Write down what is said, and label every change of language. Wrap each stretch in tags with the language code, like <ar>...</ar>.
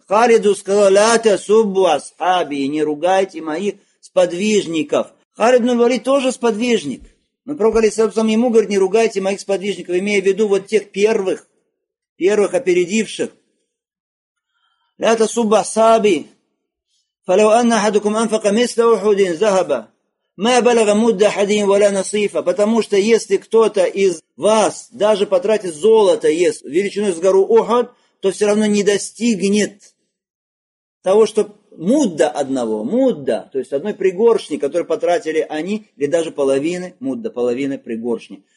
<ru>Халиду сказал:</ru> <ar>«Ля тасуббу асхаби»,</ar> <ru>«Не ругайте моих сподвижников». Халид ибн Валид тоже сподвижник. Но пророк, алейхиссалату вассалям, ему говорит: «Не ругайте моих сподвижников», имея в виду вот тех первых опередивших.</ru> <ar>«Ля тасуббу асхаби». فلو أن أحدكم أنفق مثل أحد ذهبا ما بلغ مد أحد ولا نصيفا.</ar> <ru>Потому что если кто-то из вас даже потратит золото, есть величиной с гору Ухад, то все равно не достигнет того, что мудда одного, мудда, то есть одной пригоршни, которую потратили они, или даже половины мудда, половины пригоршни.</ru>